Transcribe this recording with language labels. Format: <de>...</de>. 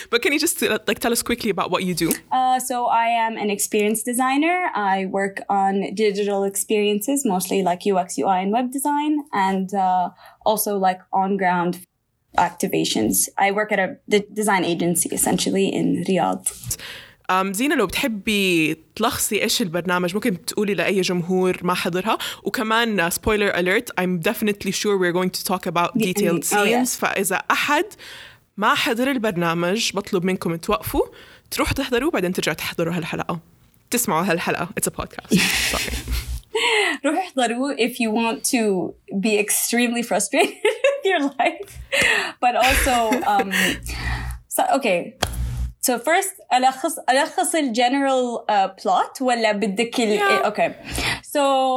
<en>But can you just like tell us quickly about what you do? So I am an experience designer. I work on digital experiences, mostly like UX, UI, and web design, and also like on-ground activations. I work at a design agency, essentially, in Riyadh.</en> <ar>زينة، لو بتحبي تلخصي إيش البرنامج، ممكن تقولي لأي جمهور ما حضرها. وكمان</ar> <en>spoiler alert, I'm definitely sure we're going to talk about detailed scenes.</en> <ar>فإذا أحد ما حضر البرنامج، بطلب منكم توقفوا تروحوا تحضروا، بعدين ترجعوا تحضروا هالحلقة، تسمعوا هالحلقة.</ar> <en>It's a podcast. Sorry.</en> <ar>روح احضروا</ar> <en>if you want to be extremely frustrated with your life, but also okay. So first,</en> <ar>ألخص الgeneral plot ولا بدك ال...</ar> <en>Yeah. Okay. So...</en>